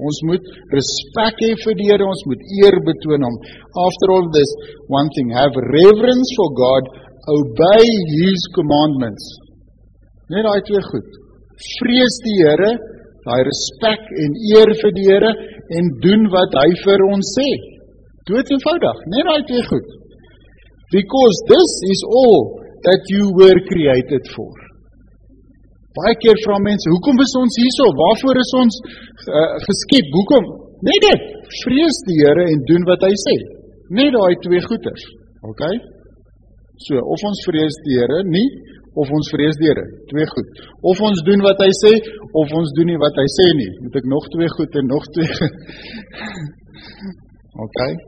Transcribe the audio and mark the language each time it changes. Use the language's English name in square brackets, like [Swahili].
[Afrikaans] Ons moet respect hê vir die Here, ons moet eer betoon hom. [English] After all this, one thing, have reverence for God, obey His commandments. [Afrikaans] Net daai twee goed. Vrees die Here, daai respect en eer vir die Here, en doen wat hy vir ons sê. Dood eenvoudig, net daai twee goed. [English] Because this is all that you were created for. [Afrikaans] Baie keer vra mense, hoekom is ons hierso? Waarvoor is ons geskep? Hoekom? Net dit, vrees die Here en doen wat hy sê. Net daai twee goeders. OK? So, of ons vrees die Here nie, of ons vrees die Here. Twee goed. Of ons doen wat hy sê, of ons doen nie wat hy sê nie. Moet ek nog twee goed en nog twee OK?